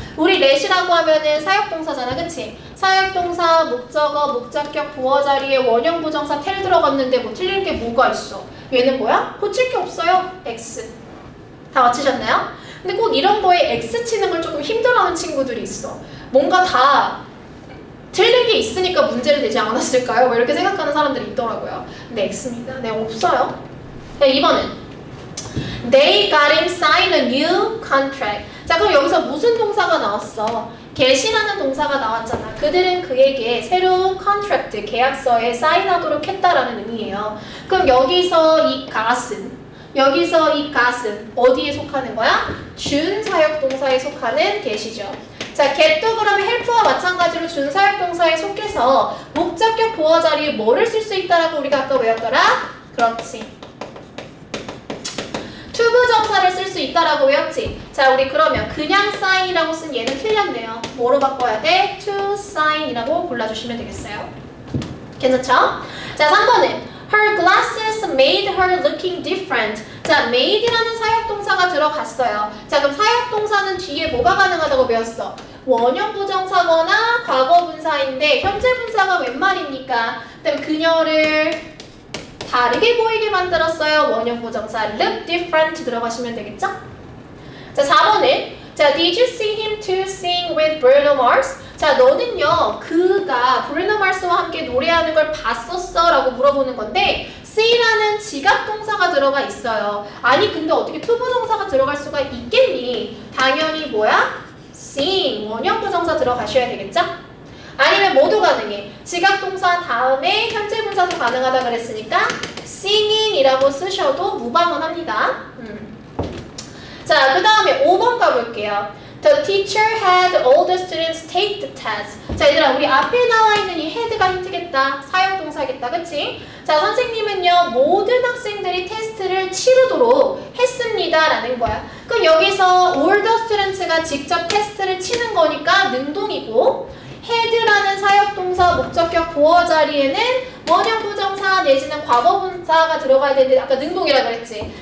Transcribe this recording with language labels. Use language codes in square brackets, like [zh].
[ko] 우리 let이라고 하면은 사역동사잖아. 그치? 사역동사, 목적어, 목적격, 부어자리에 원형부정사 tell 들어갔는데 뭐 틀릴 게 뭐가 있어? 얘는 뭐야? 고칠 게 없어요. X. 다 맞히셨나요? 근데 꼭 이런 거에 X 치는 걸 조금 힘들어하는 친구들이 있어. 뭔가 다 틀린 게 있으니까 문제를 내지 않았을까요? 뭐 이렇게 생각하는 사람들이 있더라고요. 근데 X입니다. 네, 없어요. 네, 2번은 [en] They got him sign a new contract. [ko] 자, 그럼 여기서 무슨 동사가 나왔어? get이라는 동사가 나왔잖아. 그들은 그에게 새로운 contract, 계약서에 사인하도록 했다라는 의미예요. 그럼 여기서 이 got은 여기서 이 got은 어디에 속하는 거야? 준사역동사에 속하는 get이죠. 자, get도 그러면 help와 마찬가지로 준사역동사에 속해서 목적격 보어자리에 뭐를 쓸 수 있다라고 우리가 아까 외웠더라? 그렇지. 투부정사를 쓸 수 있다라고 외웠지? 자, 우리 그러면 그냥 sign이라고 쓴 얘는 틀렸네요. 뭐로 바꿔야 돼? to sign이라고 골라주시면 되겠어요. 괜찮죠? 자, 3번은 [en] Her glasses made her looking different. [ko] 자, made라는 사역동사가 들어갔어요. 자, 그럼 사역동사는 뒤에 뭐가 가능하다고 배웠어? 원형부정사거나 과거분사인데 현재분사가 웬 말입니까? 그럼 그녀를 다르게 보이게 만들었어요. 원형부정사 [en] look different [ko] 들어가시면 되겠죠? 자, 4번은 자, [en] Did you see him to sing with Bruno Mars? [ko] 자, 너는요, 그가 브루노 마스와 함께 노래하는 걸 봤었어? 라고 물어보는 건데 see라는 지각동사가 들어가 있어요. 아니, 근데 어떻게 투부정사가 들어갈 수가 있겠니? 당연히 뭐야? sing, 원형부정사 들어가셔야 되겠죠? 아니면 모두 가능해. 지각동사 다음에 현재분사도 가능하다 그랬으니까 singing이라고 쓰셔도 무방언합니다. 자, 그 다음에 5번 가볼게요. [en] The teacher had all the students take the test. [ko] 자, 얘들아, 우리 앞에 나와 있는 이 had가 힌트겠다. 사역동사겠다. 그치? 자, 선생님은요, 모든 학생들이 테스트를 치르도록 했습니다. 라는 거야. 그럼 여기서 [en] all the students [ko] 가 직접 테스트를 치는 거니까 능동이고, had라는 사역동사 목적격 보어자리에는 원형부정사 내지는 과거분사가 들어가야 되는데, 아까 능동이라고 그랬지?